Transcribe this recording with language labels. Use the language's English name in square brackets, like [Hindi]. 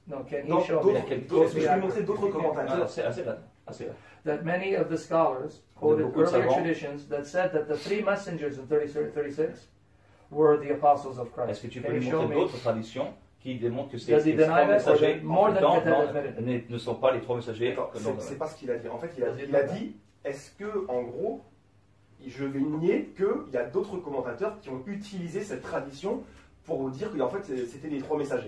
[English] No, can he show me? [French] Je vais lui montrer d'autres commentaires. [English] That many of the scholars quoted earlier traditions that said that the three messengers in 36 were the apostles of Christ. [French] Est-ce que tu peux lui montrer d'autres traditions qui démontrent que ces trois messagers [English] more than [French] ne sont pas les trois messagers? C'est pas ce qu'il a dit. En fait, il a dit est-ce que, en gros, je vais nier qu'il y a d'autres commentateurs qui ont utilisé cette tradition pour vous dire qu'en fait, c'était les trois messagers.